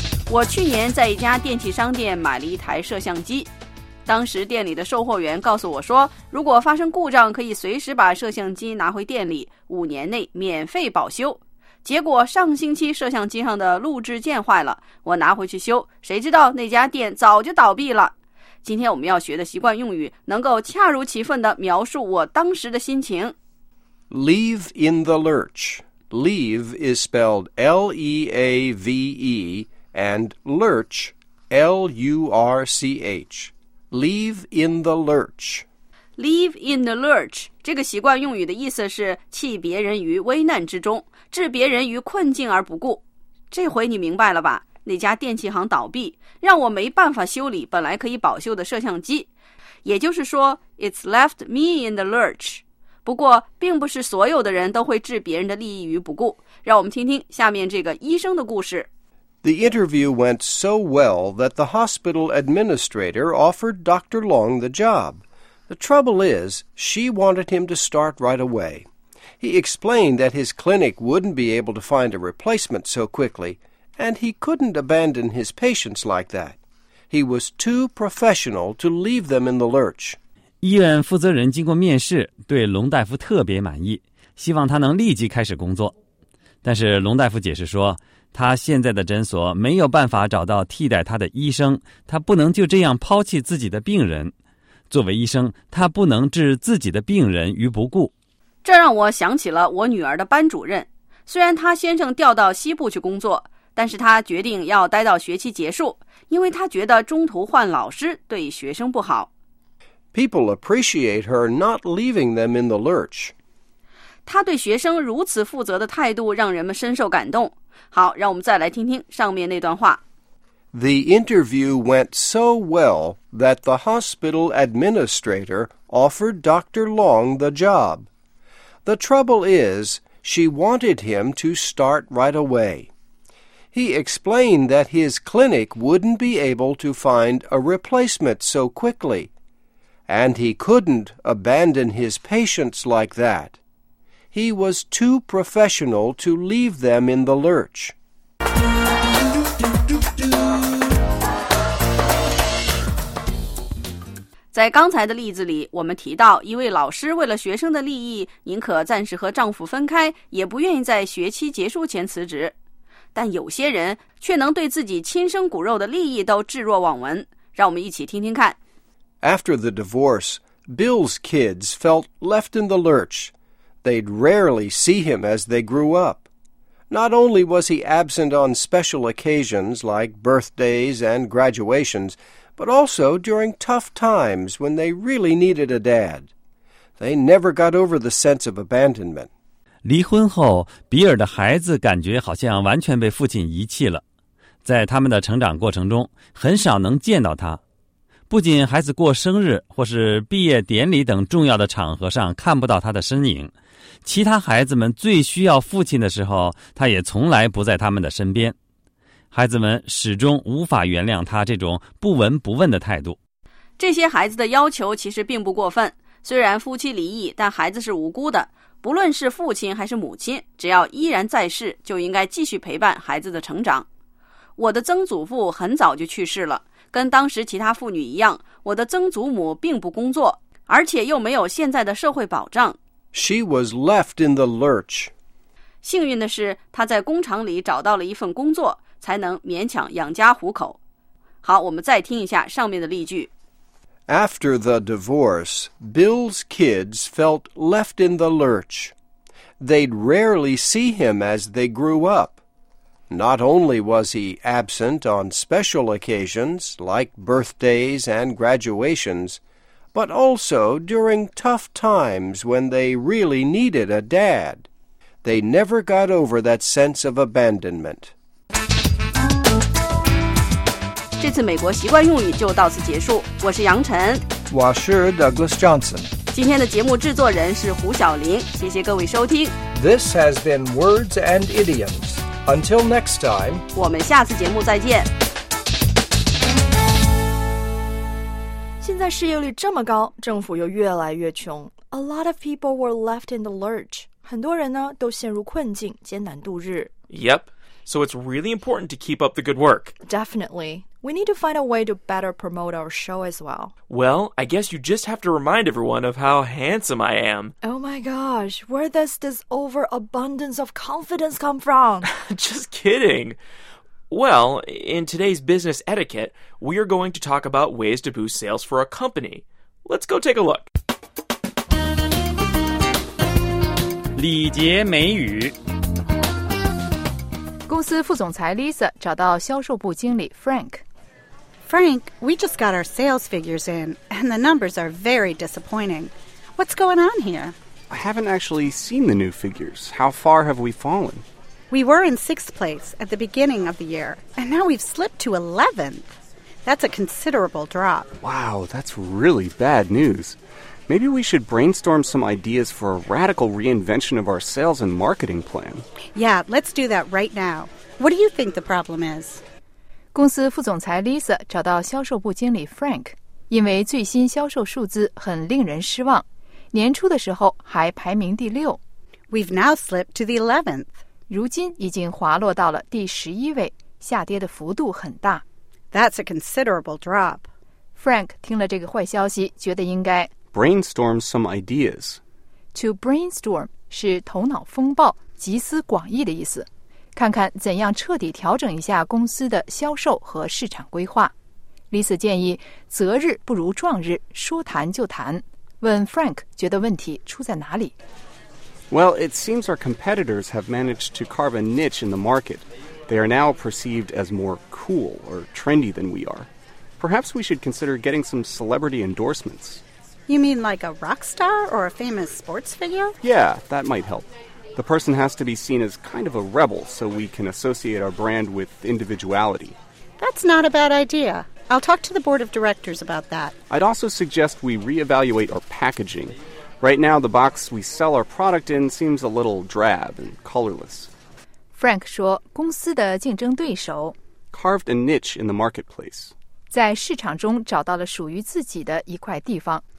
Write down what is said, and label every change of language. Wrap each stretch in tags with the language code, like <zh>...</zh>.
<zh>我去年在一家电器商店买了一台摄像机，当时店里的售货员告诉我说，如果发生故障，可以随时把摄像机拿回店里，五年内免费保修。结果上星期摄像机上的录制键坏了，我拿回去修，谁知道那家店早就倒闭了。今天我们要学的习惯用语能够恰如其分地描述我当时的心情。</zh> <en>Leave in the lurch. Leave is spelled L-E-A-V-E and lurch L-U-R-C-H. Leave in the lurch. Leave in the lurch.</en> <zh>这个习惯用语的意思是弃别人于危难之中，置别人于困境而不顾。这回你明白了吧？那家电器行倒闭，让我没办法修理本来可以保修的摄像机。也就是说</zh> <en>,It's left me in the lurch.</en> <zh>不过并不是所有的人都会置别人的利益于不顾。让我们听听下面这个医生的故事。</zh> <en>The interview went so well that the hospital administrator offered Dr. Long the job. The trouble is, she wanted him to start right away. He explained that his clinic wouldn't be able to find a replacement so quickly, and he couldn't abandon his patients like that. He was too professional to leave them in the lurch.</en> <zh>医院负责人经过面试，对龙大夫特别满意，希望他能立即开始工作。但是龙大夫解释说，他现在的诊所没有办法找到替代他的医生，他不能就这样抛弃自己的病人。作为医生，他不能置自己的病人于不顾。这让我想起了我女儿的班主任，虽然他先生调到西部去工作，但是他决定要待到学期结束，因为他觉得中途换老师对学生不好。</zh> <en>People appreciate her not leaving them in the lurch.</en> <zh>她对学生如此负责的态度让人们深受感动。好，让我们再来听听上面那段话。</zh> <en>The interview went so well that the hospital administrator offered Dr. Long the job. The trouble is, she wanted him to start right away. He explained that his clinic wouldn't be able to find a replacement so quickly, and he couldn't abandon his patients like that. He was too professional to leave them in the lurch.</en> <zh>在刚才的例子里，我们提到一位老师为了学生的利益，宁可暂时和丈夫分开，也不愿意在学期结束前辞职。但有些人却能对自己亲生骨肉的利益都置若罔闻。让我们一起听听看。</zh> <en>After the divorce, Bill's kids felt left in the lurch. They'd rarely see him as they grew up. Not only was he absent on special occasions like birthdays and graduations,but also during tough times when they really needed a dad. They never got over the sense of abandonment.</en> <zh>离婚后，比尔的孩子感觉好像完全被父亲遗弃了。在他们的成长过程中，很少能见到他。不仅孩子过生日或是毕业典礼等重要的场合上看不到他的身影，其他孩子们最需要父亲的时候，他也从来不在他们的身边。孩子们始终无法原谅他这种不闻不问的态度。这些孩子的要求其实并不过分，虽然夫妻离异，但孩子是无辜的。不论是父亲还是母亲，只要依然在世，就应该继续陪伴孩子的成长。我的曾祖父很早就去世了，跟当时其他妇女一样，我的曾祖母并不工作，而且又没有现在的社会保障。</zh> <en>She was left in the lurch.</en> <zh>幸运的是，她在工厂里找到了一份工作，才能勉强养家糊口。好，我们再听一下上面的例句。</zh> <en>After the divorce, Bill's kids felt left in the lurch. They'd rarely see him as they grew up. Not only was he absent on special occasions, like birthdays and graduations, but also during tough times when they really needed a dad. They never got over that sense of abandonment.</en> <zh>这次美国习惯用语就到此结束，我是杨晨，我是 Douglas Johnson，今天的节目制作人是胡晓玲，谢谢各位收听。</zh> <en>This has been Words and Idioms. Until next time，</en> <zh>我们下次节目再见。现在失业率这么高，政府又越来越穷，</zh> <en>A lot of people were left in the lurch，</en> <zh>很多人呢都陷入困境，艰难度日。</zh> <en>Yep, so it's really important to keep up the good work. Definitely. We need to find a way to better promote our show as well. Well, I guess you just have to remind everyone of how handsome I am. Oh my gosh, where does this overabundance of confidence come from? Just kidding. Well, in today's business etiquette, we are going to talk about ways to boost sales for a company. Let's go take a look.</en> <zh>礼节美语公司副总裁 Lisa 找到销售部经理 Frank。</zh> <en>Frank, we just got our sales figures in, and the numbers are very disappointing. What's going on here? I haven't actually seen the new figures. How far have we fallen? We were in sixth place at the beginning of the year, and now we've slipped to 11th. That's a considerable drop. Wow, that's really bad news. Maybe we should brainstorm some ideas for a radical reinvention of our sales and marketing plan. Yeah, let's do that right now. What do you think the problem is?</en> <zh>公司副总裁 Lisa 找到销售部经理 Frank， 因为最新销售数字很令人失望，年初的时候还排名第六。</zh> <en>We've now slipped to the 11th.</en> <zh>如今已经滑落到了第十一位，下跌的幅度很大。</zh> <en>That's a considerable drop.</en> <zh>Frank 听了这个坏消息，觉得应该</zh> <en>brainstorm some ideas.</en> <zh>To brainstorm 是头脑风暴、集思广益的意思。看看怎样彻底调整一下公司的销售和市场规划。 Lisa 建议择日不如撞日，说谈就谈，问 Frank 觉得问题出在哪里。</zh> <en>Well, it seems our competitors have managed to carve a niche in the market. They are now perceived as more cool or trendy than we are. Perhaps we should consider getting some celebrity endorsements. You mean like a rock star or a famous sports figure? Yeah, that might help. The person has to be seen as kind of a rebel so we can associate our brand with individuality. That's not a bad idea. I'll talk to the board of directors about that. I'd also suggest we reevaluate our packaging. Right now, the box we sell our product in seems a little drab and colorless.</en> <zh>Frank 说公司的竞争对手</zh> <en>carved a niche in the marketplace.</en> <zh>在市场中找到了属于自己的一块地方。</zh>